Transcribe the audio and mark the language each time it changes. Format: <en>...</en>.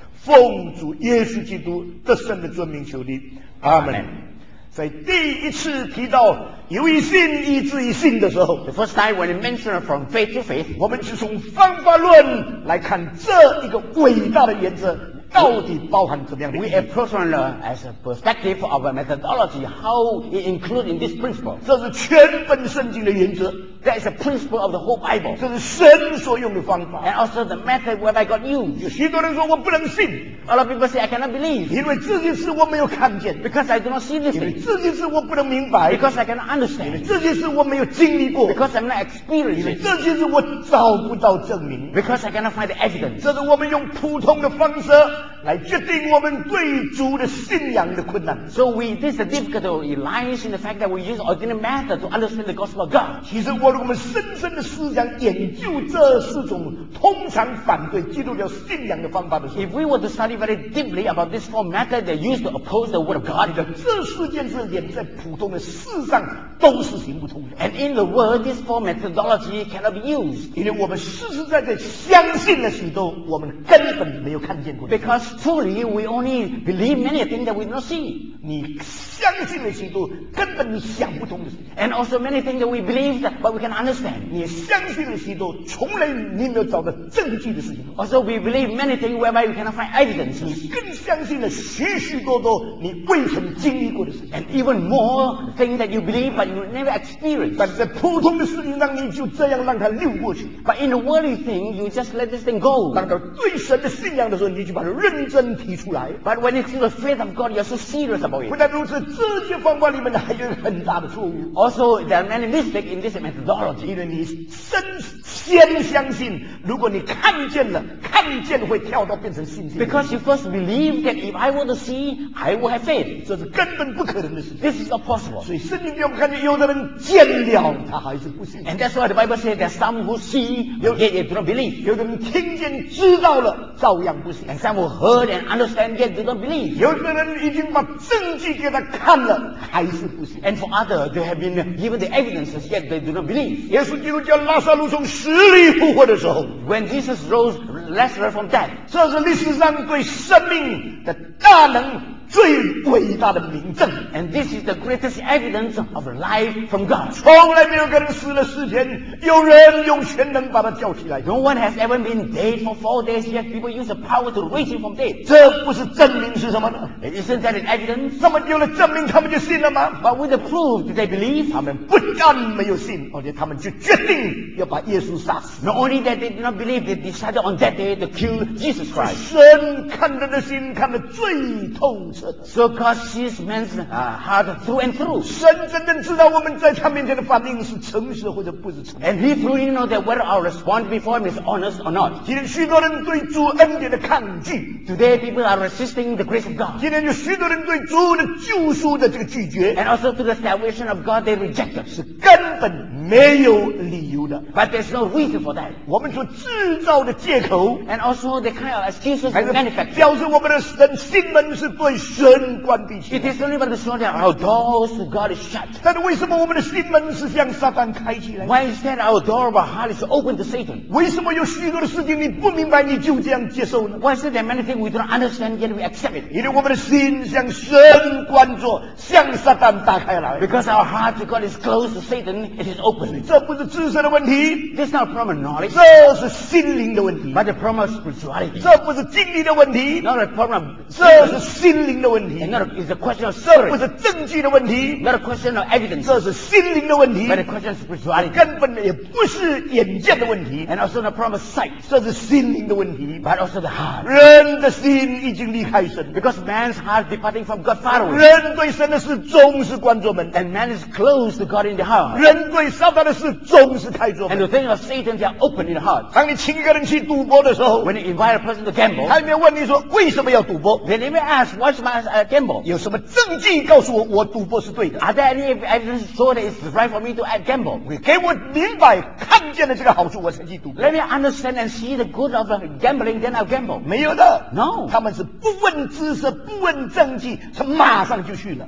<zh>奉主耶稣基督得胜的尊名求你，阿门。在第一次提到由于信以至于信的时候</zh> <en>，The first time when you mentioned from faith to faith，</en> <zh>我们是从方法论来看这一个伟大的原则到底包含怎么样的。</zh> <en>We approach on the as a perspective of a methodology how it includes in this principle。</en> <zh>这是全本圣经的原则。</zh> <en>That is the principle of the whole Bible。</en> <zh>这是神所用的方法。</zh> <en>And also the method whereby God used。</en> <zh>有许多人说我不能信。</zh> <en>A lot of people say I cannot believe。</en> <zh>因为这件事我没有看见。</zh> <en>Because I do not see this thing。</en> <zh>因为这件事我不能明白。</zh> <en>Because I cannot understand。</en> <zh>这件事我没有经历过。</zh> <en>Because I'm not experienced。</en> <zh>因为这件事我找不到证明。</zh> <en>Because I cannot find the evidence。</en> <zh>这是我们用普通的方式来决定我们对主的信仰的困难。</zh> <en>So we this is difficulty lies in the fact that we use ordinary method to understand the gospel of God。</en> <zh>其实我们深深的思想研究这四种通常反对基督教信仰的方法的时候</zh> <en>，If we were to study very deeply about this four method they use to oppose the word of God，</en> <zh>这四件事连在普通的事上都是行不通的。</zh> <en>And in the world, this four methodology cannot be used，</en> <zh>因为我们实实在在相信了许多我们根本没有看见过的。</zh> <en>Because truly we only believe many things that we do not see。</en> <zh>你相信了许多根本你想不通的事。</zh> <en>And also many things that we believe that but we can understand。</en> <zh>你相信了许多从来你没有找到证据的事情。</zh> <en>Also we believe many things whereby we cannot find evidence。</en> <zh>你更相信了许许多多你未曾经历过的事。</zh> <en>And even more things that you believe but you never experience。</en> <zh>但在普通的事情上你就这样让它溜过去。</zh> <en>But in the worldly thing you just let this thing go。</en> <zh>当到对神的信仰的时候你就把它认真提出来。</zh> <en>But when it's the faith of God you're so serious about it。</en> <zh>不但如此，这些方法里面还有很大的错误。</zh> <en>Also there are many mistakes in this methodology。</en> <zh>因为你先相信，如果你看见了，看见会跳到变成信心。</zh> <en>Because you first believe that if I were to see, I would have faith。</en> <zh>这是根本不可能的事情。</zh> <en>This is impossible。</en> <zh>所以圣经里面看见有的人见了，他还是不信。</zh> <en>And that's why the Bible says that some who see, yet they do not believe。</en> <zh>有的人听见知道了，照样不信。</zh> <en>And some who heard and understand, yet do not believe。</en> <zh>有的人已经把证据给他看了，还是不信。</zh> <en>And for others, they have been given the evidences, yet they do not believe。</en> <zh>耶稣基督叫拉撒路从死里复活的时候</zh> <en>，When Jesus rose Lazarus from death，</en> <zh>这是历史上对生命的大能最伟大的明证。</zh> <en>And this is the greatest evidence of life from God.</en> <zh>从来没有个人死了四天，有人用全能把他叫起来。</zh> <en>No one has ever been dead for four days yet. People use the power to raise him from dead.</en> <zh>这不是证明是什么呢？</zh> <en>Isn't that an evidence?</en> <zh>他们有了证明，他们就信了吗？</zh> <en>But with the proof, do they believe?</en> <zh>他们不但没有信，而且他们就决定要把耶稣杀死。</zh> <en>Not only that they did not believe, they decided on that day to kill Jesus Christ.</en> <zh>神看他的心看得最透。</zh> <en>So God sees man's heart through and through.</en> <zh>神真正知道我们在他面前的反应是诚实或者不是诚实。</zh> <en>And He truly knows that whether our response before Him is honest or not.</en> <zh>今天许多人对主恩典的抗拒。</zh> <en>Today people are resisting the grace of God.</en> <zh>今天有许多人对主的救赎的这个拒绝。</zh> <en>And also to the salvation of God they reject it.</en> <zh>是根本没有理由的。</zh> <en>But there's no reason for that.</en> <zh>我们所制造的借口。</zh> <en>And also the kind of excuses we manufacture.</en> <zh>表示我们的人心门是对。神关闭起来。</zh> <en>It is only by the sword that our doors to God is shut.</en> <zh>但为什么我们的心门是向撒旦开起来？</zh> <en>Why is that our door of our heart is open to Satan?</en> <zh>为什么有许多的事情你不明白你就这样接受呢？</zh> <en>Why is there many things we don't understand yet we accept it?</en> <zh>因为我们的心向神关着，向撒旦打开来。</zh> <en>Because our heart to God is closed to Satan, it is open.</en> <zh>这不是知识的问题。</zh> <en>This is not a problem of knowledge.</en> <zh>这是心灵的问题。</zh> <en>But the problem of spirituality.</en> <zh>这不是经历的问题。</zh> <en>Not a problem.</en> <zh>这是心灵。心灵的问题</zh> <en>not a, it's a question of</en> <zh>这不是证据的问题</zh> <en>not a question of evidence,</en> <zh>这是心灵的问题</zh> <en>but a question of spirituality,</en> <zh>根本也不是眼见的问题</zh> <en>and also not a problem of sight,</en> <zh>这是心灵的问题</zh> <en>but also the heart,</en> <zh>人的心已经离开神</zh> <en>because man's heart departing from God far away,</en> <zh>人对神的事总是关着门</zh> <en>and man is closed to God in the heart,</en> <zh>人对撒旦的事总是开着门</zh> <en>and the things of Satan are open in the heart,</en> <zh>当你请一个人去赌博的时候</zh> <en>when you invite a person to gamble,</en> <zh>他里面问你说为什么要赌博</zh> <en>then they may ask what's my gamble.</en> <zh>有什么证据告诉我我赌博是对的？</zh> <en>Are there any evidence so that it's right for me to gamble?</en> <zh>给我明白看见了这个好处我才去赌博。</zh> <en>Let me understand and see the good of gambling, then I'll gamble.</en> <zh>没有的。</zh> <en>No.</en> <zh>他们是不问知识，不问证据，他马上就去了。</zh>